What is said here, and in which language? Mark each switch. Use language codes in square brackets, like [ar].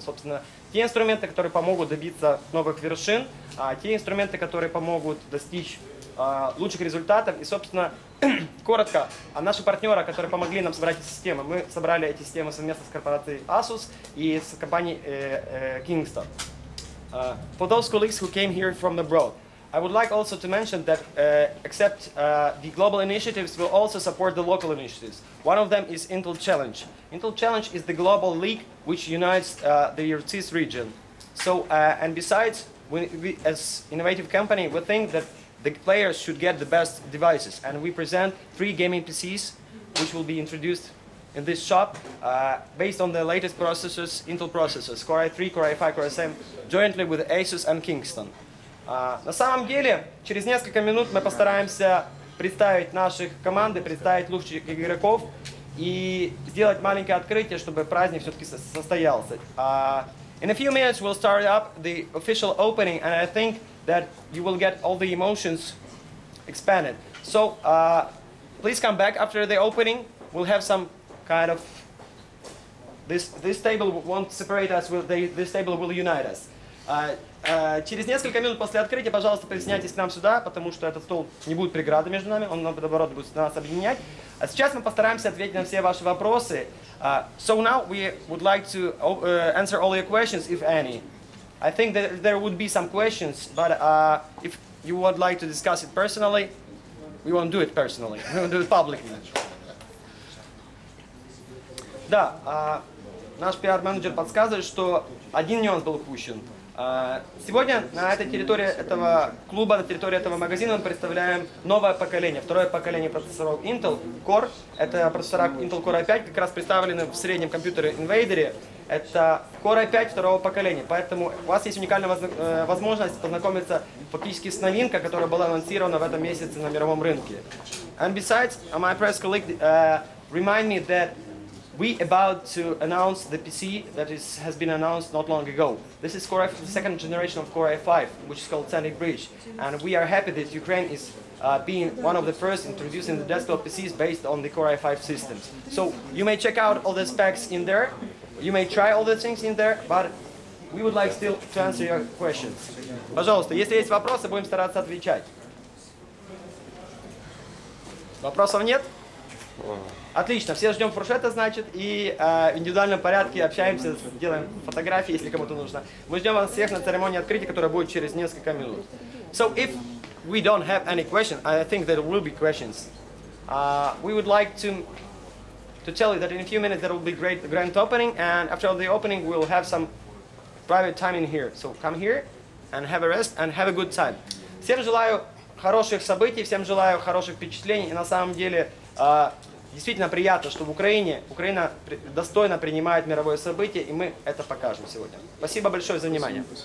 [ru] Собственно, те инструменты, которые помогут добиться новых вершин, те инструменты, которые помогут достичь лучших результатов. И, собственно, коротко, а наши партнеры, которые помогли нам собрать эти системы, мы собрали эти системы совместно с корпорацией Asus и с компанией Kingston. [en] For those colleagues who came here from abroad, I would like also to mention that except the global initiatives, will also support the local initiatives. One of them is Intel Challenge. Intel Challenge is the global league which unites the Eurasia region. So, and besides, we as innovative company, we think that the players should get the best devices, and we present three gaming PCs, which will be introduced in this shop, based on the latest processors, Intel processors, Core i3, Core i5, Core i7, jointly with Asus and Kingston. [ru] На самом деле, через несколько минут мы постараемся представить наших команды, представить лучших игроков и сделать маленькое открытие, чтобы праздник все-таки состоялся. [en] In a few minutes we'll start up the official opening, and I think that you will get all the emotions expanded. So please come back after the opening. We'll have some kind of this table won't separate us. This table will unite us. [ru] Через несколько минут после открытия, пожалуйста, присоединяйтесь к нам сюда, потому что этот стол не будет преградой между нами. Он наоборот будет нас объединять. А сейчас мы постараемся ответить на все ваши вопросы. [en] So now we would like to answer all your questions, if any. I think that there would be some questions, but if you would like to discuss it personally, we won't do it personally, we won't do it publicly. [ru] Да, наш PR-менеджер подсказывает, что один нюанс был упущен. Сегодня на этой территории этого клуба, на территории этого магазина мы представляем новое поколение, второе поколение процессоров Intel Core. Это процессора Intel Core i5, как раз представлены в среднем компьютере Invader. Это Core i5 второго поколения, поэтому у вас есть уникальная возможность познакомиться фактически с новинкой, которая была анонсирована в этом месяце на мировом рынке. [en] And besides, my press colleague remind me that we about to announce the PC that has been announced not long ago. This is Core the second generation of Core i5, which is called Sandy Bridge. And we are happy that Ukraine is being one of the first introducing the desktop PCs based on the Core i5 systems. So you may check out all the specs in there. You may try all the things in there, but we would like still to answer your questions. [ru] Пожалуйста, если есть вопросы, будем стараться отвечать. Вопросов нет? Отлично, все ждем фуршета, значит, и в индивидуальном порядке общаемся, делаем фотографии, если кому-то нужно. Мы ждем вас всех на церемонии открытия, которая будет через несколько минут. [en] So if we don't have any questions, I think there will be questions, we would like to tell you that in a few minutes there will be great grand opening, and after the opening we'll have some private time in here. So come here and have a rest and have a good time. [ru] Всем желаю хороших событий, всем желаю хороших впечатлений, и на самом деле действительно приятно, что в Украине Украина достойно принимает мировое событие, и мы это покажем сегодня. Спасибо большое за внимание.